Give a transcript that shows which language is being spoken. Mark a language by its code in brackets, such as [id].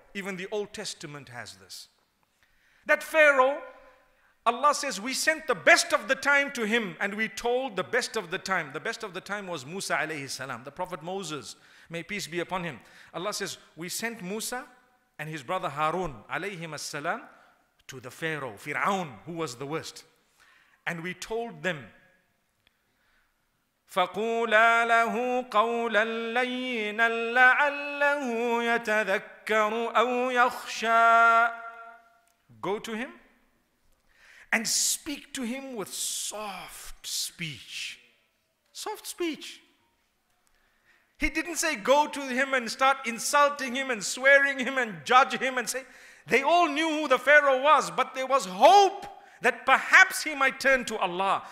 [en] Even the Old Testament has this. That Pharaoh, Allah says, we sent the best of the time to him and we told the best of the time. The best of the time was Musa alayhi salam, the prophet Moses. May peace be upon him. Allah says, we sent Musa and his brother Harun alayhi salam to the Pharaoh, Fir'aun, who was the worst. And we told them, [ar] فَقُولَا لَهُ قَوْلًا لَيِّنًا لَعَلَّهُ يَتَذَكَّرُ أَوْ يَخْشَى. [en] Go to him and speak to him with soft speech. Soft speech. He didn't say go to him and start insulting him and swearing him and judge him and say. They all knew who the Pharaoh was, but there was hope that perhaps he might turn to Allah.